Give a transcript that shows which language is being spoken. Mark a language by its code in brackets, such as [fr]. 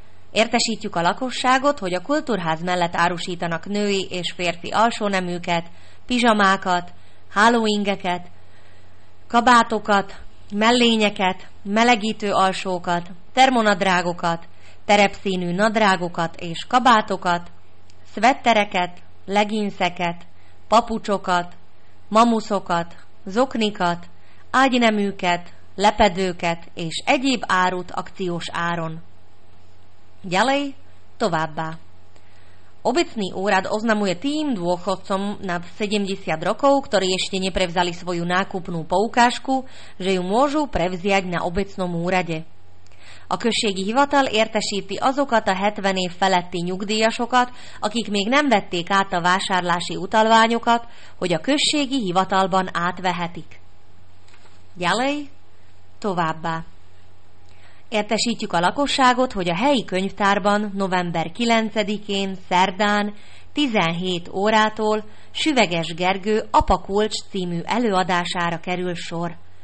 [hu] Értesítjük a lakosságot, hogy a Kultúrház mellett árusítanak női és férfi alsóneműket, pizsamákat, halloweeneket, kabátokat, mellényeket, melegítő alsókat, termonadrágokat, terepszínű nadrágokat és kabátokat, szvettereket, leginszeket, papucsokat, mamuszokat, zoknikat, ágyneműket, lepedőket és egyéb árut akciós áron. [sk] Ďalej, [hu] továbbá. [sk] Obecný úrad oznamuje tým dôchodcom nad 70 rokov, ktorí ešte neprevzali svoju nákupnú poukážku, že ju môžu prevziať na obecnom úrade. [hu] A községi hivatal értesíti azokat a 70 év feletti nyugdíjasokat, akik még nem vették át a vásárlási utalványokat, hogy a községi hivatalban átvehetik. [sk] Ďalej, [hu] továbbá. Értesítjük a lakosságot, hogy a helyi könyvtárban november 9-én, szerdán, 17 órától Süveges Gergő Apa Kulcs című előadására kerül sor.